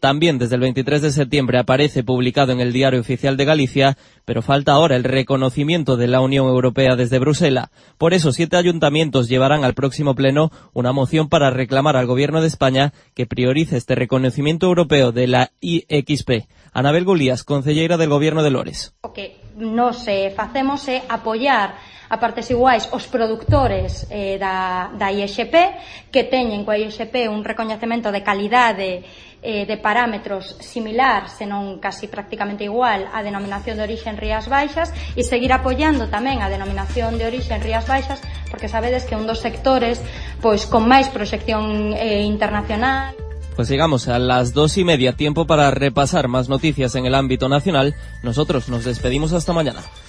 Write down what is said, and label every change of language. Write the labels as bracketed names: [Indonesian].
[Spanish] También desde el 23 de septiembre aparece publicado en el Diario Oficial de Galicia, pero falta ahora el reconocimiento de la Unión Europea desde Bruselas. Por eso, 7 ayuntamientos llevarán al próximo pleno una moción para reclamar al Gobierno de España que priorice este reconocimiento europeo de la IXP. Anabel Gulías, concelleira del Gobierno de Lores. [English] Okay. [Galician] Nos facemos apoiar a partes iguais os productores da IXP, que teñen coa IXP un recoñecemento de calidade de parámetros similar, senón casi prácticamente igual, a denominación de orixen Rías Baixas, e seguir apoiando tamén a denominación de orixen Rías Baixas, porque sabedes que é un dos sectores pois con máis proxección internacional. [Spanish] Pues llegamos a las 2:30, tiempo para repasar más noticias en el ámbito nacional. Nosotros nos despedimos hasta mañana.